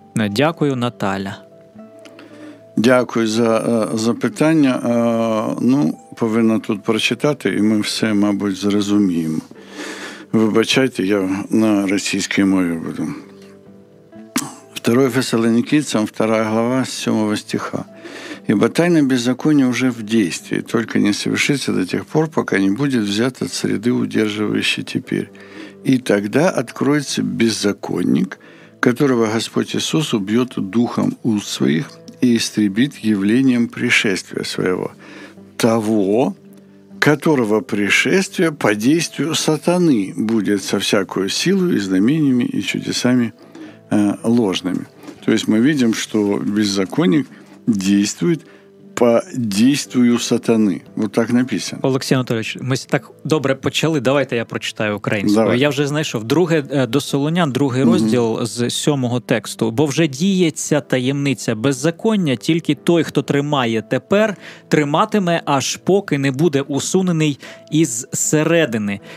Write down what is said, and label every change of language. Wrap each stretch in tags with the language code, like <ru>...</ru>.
<uk>Дякую, Наталя. Дякую за питання. Ну, повинна тут прочитати, і ми все, мабуть, зрозуміємо. Вибачайте, я на російській мові буду. 2 Фессалонікійцям, 2 глава, 7 стиха.</uk> <ru>«Ібо тайна беззакония уже в действии, только не совершится до тех пор, пока не будет взят от среды, удерживающей теперь. И тогда откроется беззаконник, которого Господь Иисус убьет духом уст своих и истребит явлением пришествия своего, того, которого пришествие по действию сатаны будет со всякую силу и знамениями и чудесами ложными». То есть мы видим, что беззаконник действует по действию сатаны. Вот так написано.</ru> <uk>Олексій Анатолійович, ми так добре почали, давайте я прочитаю українською. Я вже знайшов. Друге до Солунян, другий розділ з 7-го тексту. «Бо вже діється таємниця беззаконня, тільки той, хто тримає тепер, триматиме, аж поки не буде усунений із середини.</uk>